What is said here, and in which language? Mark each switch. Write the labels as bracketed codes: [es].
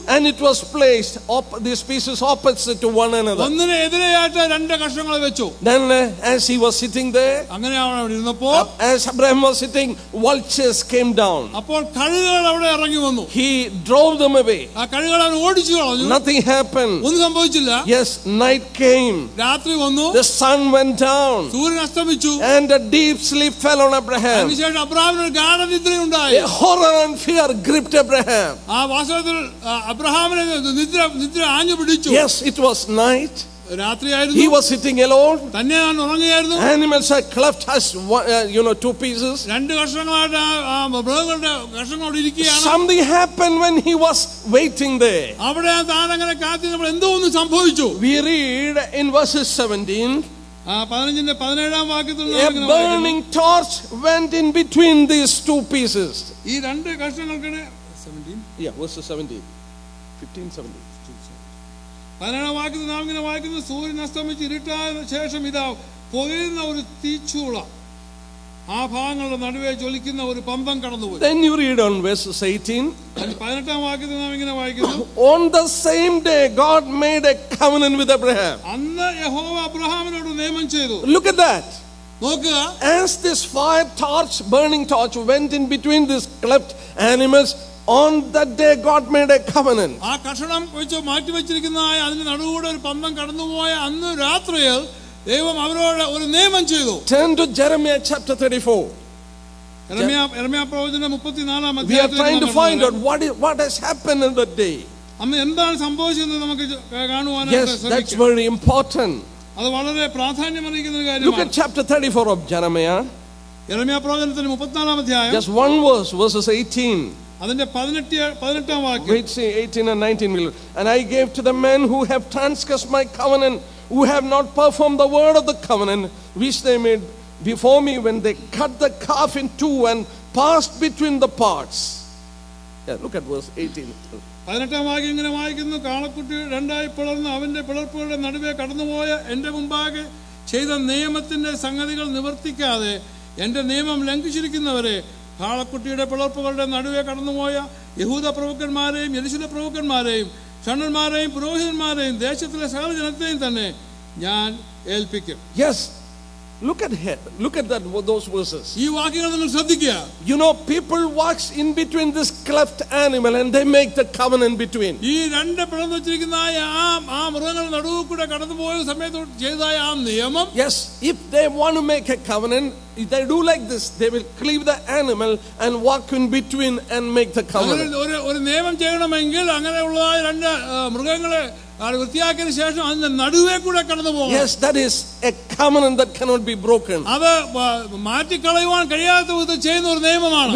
[en] And it was placed these pieces opposite to one another. [ml] ഒന്നിനെ എതിരെയായിട്ട് രണ്ട് കഷണങ്ങൾ വെച്ചു. [en] Then as he was sitting there, [ml] അങ്ങനെ അവൻ അവിടെ ഇരുന്നപ്പോ, [en] as Abraham was sitting, vultures came down. [ml] അപ്പോൾ കഴുകൾ അവിടെ ഇറങ്ങി വന്നു. [en] He drove them away. [ml] ആ കഴുകൾ അവൻ ഓടിച്ചു കളഞ്ഞു. [en] Nothing happened. [ml] ഒന്നും സംഭവിച്ചില്ല. [en] Yes, night came. [ml] രാത്രി വന്നു. [en] The sun went down. [ml] സൂര്യൻ അസ്തമിച്ചു. [en] And a deep sleep fell on Abraham. [ml] അതിനുശേഷം അബ്രഹാമിന് ഒരു ഗാഢനിദ്രയുണ്ടായി. [en] A horror and fear gripped Abraham. [ml] ആ വാസ്തവത്തിൽ അബ്രഹാമിനെ നിദ്ര ആഞ്ഞു പിടിച്ചു. [en] Yes, it was night. [ml] രാത്രിയായിരുന്നു. [en] He was sitting alone. [ml] തന്നെ അവൻ ഉറങ്ങുകയായിരുന്നു. [en] Animals had cleft as two pieces. [ml] രണ്ട് കഷണങ്ങളായിട്ട് ആ മൃഗങ്ങളുടെ കഷണങ്ങളോട് ഇരിക്കുകയാണ്. [en] Something happened when he was waiting there. [ml] അവിടെ താൻ അങ്ങനെ കാത്തിരുന്നപ്പോൾ എന്തോ ഒന്ന് സംഭവിച്ചു. [en] We read in verses 17. [ml] പതിനഞ്ചിന്റെ പതിനേഴാം വാക്യത്തിൽ [en] burning torch went in between these two pieces. [ml] ഈ രണ്ട് കഷണങ്ങൾക്കിടെ [en] 17. Yeah, verses 17. 15, 17. [ml] പതിനേഴാം വാക്യത്തിൽ നാം ഇങ്ങനെ വായിക്കുന്നത്, സൂര്യൻ അസ്തമിച്ച് ഇരുട്ടായ ശേഷം ഇതാ പൊഴിയുന്ന ഒരു തീച്ചൂള ആ ഭാഗങ്ങളുടെ നടുവെ ജ്വലിക്കുന്ന ഒരു പമ്പം കടന്നുപോയി. [en] Then you read on verses 18. [ml] പതിനെട്ടാം വാക്യത്തിൽ നാം ഇങ്ങനെ വായിക്കുന്നു, [en] On the same day God made a covenant with Abraham. [ml] അന്ന് യഹോവ അബ്രഹാമിനോട് നിയമം ചെയ്തു. [en] Look at that. As this fire torch, burning torch, went in between these cleft animals, on that day God made a covenant. [ml] ആ കഷണം വെച്ചു മാറ്റി വെച്ചിരിക്കുന്നതായ അതിന്റെ നടുവൂടെ ഒരു പന്തം കടന്നുപോയ അന്ന് രാത്രിയിൽ ദൈവം അവരോട് ഒരു നിയമം ചെയ്തു. [en] Turn to Jeremiah chapter 34. [ml] Jeremiah പ്രവചനം 34-ാം അധ്യായത്തിൽ. [en] We are trying to find out what has happened in that day. [ml] അന്ന് എന്താണ് സംഭവിച്ചതെന്ന് നമുക്ക് കാണുവാനായിട്ട് ശ്രമിക്കാം. [en] Yes, that's very important. [ml] അത് വളരെ പ്രാധാന്യമർഹിക്കുന്ന ഒരു കാര്യമാണ്. [en] Look at chapter 34 of Jeremiah. [ml] Jeremiah പ്രവചനത്തിന്റെ 34-ാം അധ്യായം. [en] Just one verse, verses 18. [ml] അതിന്റെ 18-ാം വാക്യം. [en] Wait, see, 18 and 19. And I gave to the men who have transgressed my covenant, who have not performed the word of the covenant which they made before me when they cut the calf in two and passed between the parts. Yeah, look at verse 18. [ml] 18-ാം വാക്യം ഇങ്ങനെ വായിക്കുന്നു, കാളക്കുട്ടി രണ്ടായി പിളർന്ന് അവന്റെ പിളർപ്പുകളുടെ നടുവേ കടന്നുപോയ എന്റെ മുമ്പാകെ ചെയ്ത നിയമത്തിന്റെ സംഗതികൾ നിവർത്തിക്കാതെ എന്റെ നിയമം ലംഘിച്ചിരിക്കുന്നവരെ കാളക്കുട്ടിയുടെ പിളർപ്പുകളുടെ നടുവെ കടന്നുപോയ യഹൂദ പ്രഭുക്കന്മാരെയും യെരുശലേം പ്രഭുക്കന്മാരെയും ഷണ്ഡന്മാരെയും പുരോഹിതന്മാരെയും ദേശത്തിലെ സകല ജനത്തെയും തന്നെ ഞാൻ ഏൽപ്പിക്കും. [en] Yes, look at those verses. [ml] ഈ വാക്യങ്ങൾ നിങ്ങൾ ശ്രദ്ധിക്കുക. [en] You know, people walks in between this cleft animal and they make the covenant between. [ml] ഈ രണ്ട് പിളർന്ന് വെച്ചിരിക്കുന്ന ആ മൃഗങ്ങളുടെ നടുവ് കൂടെ കടന്നുപോയ സമയത്ത് ചെയ്തതായ ആ നിയമം. [en] Yes, if they want to make a covenant, if they do like this, they will cleave the animal and walk in between and make the covenant. [ml] ഒരു നിയമം ചെയ്യണമെങ്കിൽ അങ്ങനെ ഉള്ള രണ്ട് മൃഗങ്ങളെ വൃത്തിയാക്കിയതിനു ശേഷം അതിന്റെ നടുവേ കൂടെ കടന്നു പോകണം. [en] Yes, that is a covenant that cannot be broken. [ml] അത് മാറ്റിക്കളയുവാൻ കഴിയാത്ത വിധത്തിൽ ചെയ്യുന്ന ഒരു നിയമമാണ്.